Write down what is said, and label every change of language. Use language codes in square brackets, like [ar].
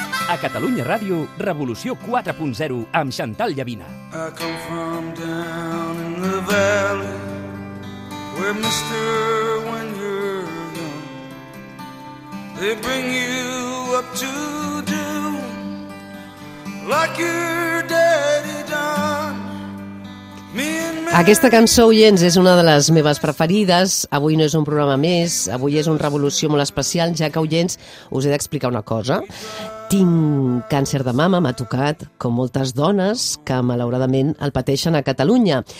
[ca] A Catalunya Ràdio, Revolució 4.0, amb Xantal Llavina. [en] I come from down in the valley, where mister when you're young, they bring you up to do, like your daddy done. [ca] Aquesta cançó, oients, és una de les meves preferides. Avui no és un programa més, avui és una revolució molt especial, ja que, oients, us he d'explicar una cosa. Tinc càncer de mama, m'ha tocat, com moltes dones que malauradament el pateixen a Catalunya.